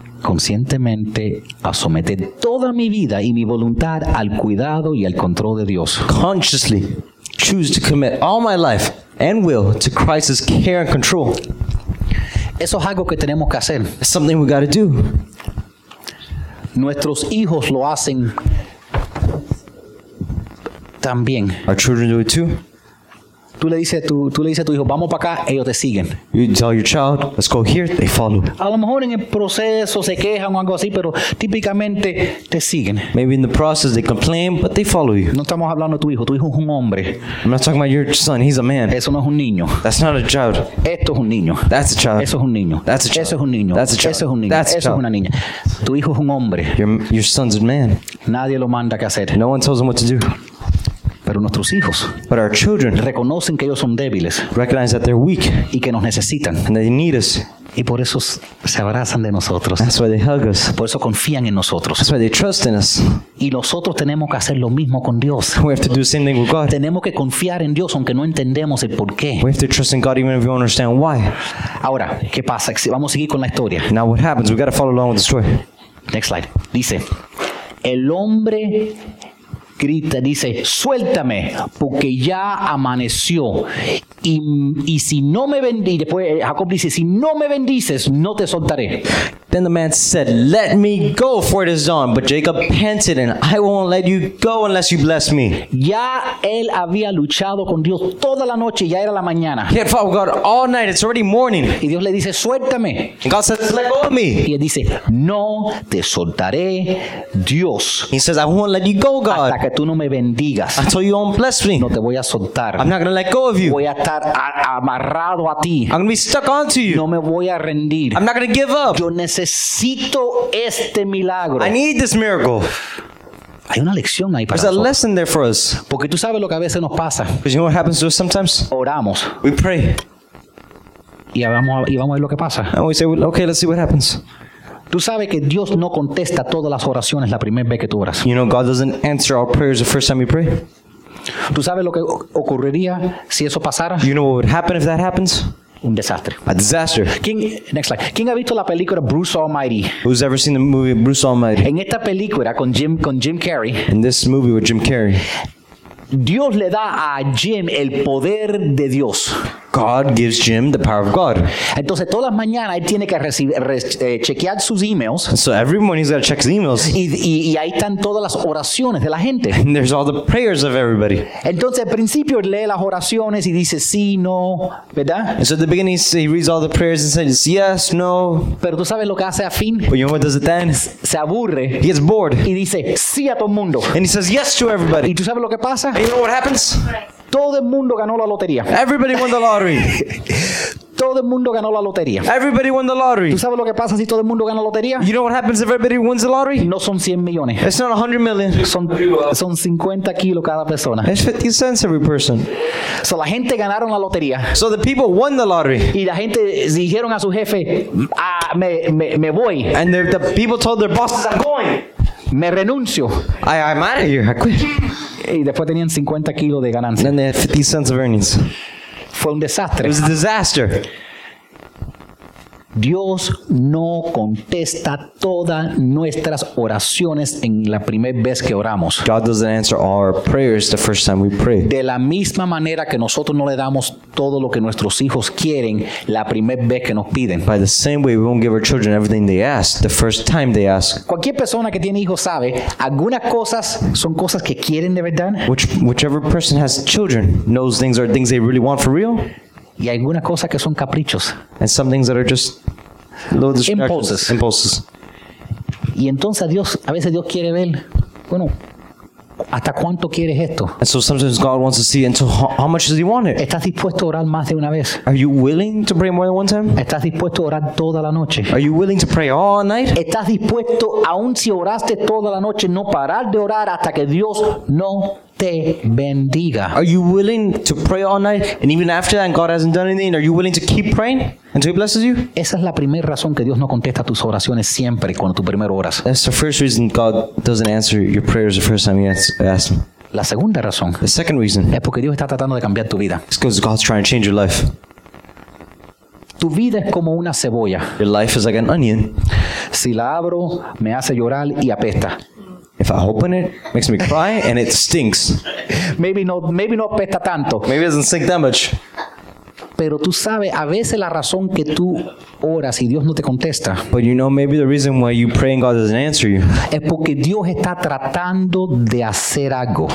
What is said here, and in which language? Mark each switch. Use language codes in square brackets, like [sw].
[es] conscientemente a someter toda mi vida y mi voluntad al cuidado y al control de Dios. [en] Consciously choose to commit all my life and will to Christ's care and control. [es] Eso es algo que tenemos que hacer. [en] It's something we got to do. [es] Nuestros hijos lo hacen también. [en] Our children do it too. [es] Tú le dices a tu hijo, vamos para acá, ellos te siguen. [en] You tell your child, let's go here, they follow. [es] A lo mejor en el proceso se quejan o algo así, pero típicamente te siguen. [en] Maybe in the process they complain, but they follow you. [es] No estamos hablando de tu hijo es un hombre. [en] I'm not talking about your son, he's a man. [es] Eso no es un niño. [en] That's not a child. [es] Esto es un niño. [en] That's a child. [es] Eso es un niño. [en] That's a child. [es] Eso es un niño. [en] That's a child. [es] Eso es un niño. [en] That's a child. [es] Eso es una niña. Tu hijo es un hombre. [en] Your son's a man. [es] Nadie lo manda qué hacer. [en] No one tells him what to do. [es] Pero nuestros hijos, [en] but our children, [es] reconocen que ellos son débiles, [en] recognize that they're weak, [es] y que nos necesitan, [en] and they need us, [es] y por eso se abrazan de nosotros. [en] That's why they hug us. [es] Por eso confían en nosotros. [en] That's why they trust in us. [es] Y nosotros tenemos que hacer lo mismo con Dios. [en] We have to do the same thing with God. [es] Tenemos que confiar en Dios aunque no entendemos el porqué. [en] We have to trust in God even if we don't understand why. [es] Ahora, ¿qué pasa? Vamos a seguir con la historia. [en] Now what happens? We got to follow along with the story. Next slide. [es] Dice, el hombre grita, dice, suéltame, porque ya amaneció. Y si no me bendices, después Jacob dice, si no me bendices, no te soltaré. [en] Then the man said, let me go, for it is dawn. But Jacob panted, and I won't let you go unless you bless me. [es] Ya él había luchado con Dios toda la noche, ya era la mañana. [en] He had fought with God all night, it's already morning. [es] Y Dios le dice, suéltame. [en] And God says, let go of me. [es] Y él dice, no te soltaré, Dios. [en] He says, I won't let you go, God. [es] Hasta que tú no me bendigas. [en] Until you don't bless me. [es] No te voy a soltar. [en] I'm not going to let go of you. [es] Voy a estar amarrado a ti. [en] I'm going to be stuck onto you. [es] No me voy a rendir. [en] I'm not going to give up. [es] Yo necesito este milagro. [en] I need this miracle. [es] Hay una lección ahí para [en] there's a lesson there for us. [es] Porque tú sabes lo que a veces nos pasa. [en] Because you know what happens to us sometimes? [es] Oramos. [en] We pray. [es] Y vamos a ver lo que pasa. [en] And we say, well, okay, let's see what happens. [es] Tú sabes que Dios no contesta todas las oraciones la primera vez que tú oras. [en] You know God doesn't answer our prayers the first time you pray. [es] Tú sabes lo que ocurriría si eso pasara. [en] You know what would happen if that happens? [es] Un desastre. [en] A disaster. [es] ¿Quién, [en] next slide. [es] ¿Quién ha visto la película Bruce Almighty? [en] Who's ever seen the movie Bruce Almighty? [es] En esta película con Jim Carrey. [en] In this movie with Jim Carrey. [es] Dios le da a Jim el poder de Dios. [en] God gives Jim the power of God. [es] Entonces todas las mañanas él tiene que chequear sus emails. [en] So every morning he's got to check his emails. [es] Y ahí están todas las oraciones de la gente. [en] And there's all the prayers of everybody. [es] Entonces al principio él lee las oraciones y dice sí, no, ¿verdad? [en] And so at the beginning he reads all the prayers and says yes, no. [es] Pero tú sabes lo que hace a fin. [en] But you know what does it then? [es] Se aburre. [en] He gets bored. [es] Y dice sí a todo el mundo. [en] And he says yes to everybody. [es] ¿Y tú sabes lo que pasa? [en] And you know what happens? [es] Todo el mundo ganó la lotería. [en] Everybody won the lottery. [es] Todo el mundo ganó la lotería. [en] Everybody won the lottery. [es] ¿Tú sabes lo que pasa si todo el mundo gana la lotería? [en] You know what happens if everybody wins the lottery? [es] No son 100 millones. [en] It's not 100 million. [es] Son 50 kilos cada persona. [en] It's 50 cents every person. [es] So la gente ganaron la lotería. [en] So the people won the lottery. [es] Y la gente dijeron a su jefe, me voy. [en] And the people told their bosses, I'm going. [es] Me renuncio. [en] I'm out of here. I quit. [es] Y después tenían 50 kilos de ganancia. [en] Then they had 50 cents of earnings. [es] Fue un desastre. [en] It was a disaster. [es] Dios no contesta todas nuestras oraciones en la primera vez que oramos. [en] God doesn't answer all our prayers the first time we pray. [es] De la misma manera que nosotros no le damos todo lo que nuestros hijos quieren la primera vez que nos piden. [en] By the same way, we won't give our children everything they ask the first time they ask. [es] Cualquier persona que tiene hijos sabe, algunas cosas son cosas que quieren de verdad. [en] Whichever person has children knows things are things they really want for real. [es] Y algunas cosas que son caprichos. [en] And some things that are just little distractions. Impulses. [es] Y entonces Dios, a veces Dios quiere ver, bueno, ¿hasta cuánto quieres esto? [en] And so sometimes God wants to see into how much does he want it? [es] ¿Estás dispuesto a orar más de una vez? [en] Are you willing to pray more than one time? [es] ¿Estás dispuesto a orar toda la noche? [en] Are you willing to pray all night? [es] ¿Estás dispuesto, aun si oraste toda la noche, no parar de orar hasta que Dios no te bendiga? [en] Are you willing to pray all night and even after that and God hasn't done anything, are you willing to keep praying until he blesses you? [es] Esa es la primera razón que Dios no contesta tus oraciones siempre cuando tú primero oras. [en] That's the first reason God doesn't answer your prayers the first time you ask him. [es] La segunda razón, [en] the second reason, [es] es porque Dios está tratando de cambiar tu vida. [en] It's because God's trying to change your life. [es] Tu vida es como una cebolla. [en] Your life is like an onion. [es] Si la abro, me hace llorar y apesta. [en] If I open it, it makes me cry and it stinks. Maybe [es] no apesta tanto. [en] Maybe it doesn't stink that much. [es] Pero tú sabes, a veces la razón que tú oras y Dios no te contesta. [en] But you know, maybe the reason why you pray and God doesn't answer you. [es] Es porque Dios está tratando de hacer algo.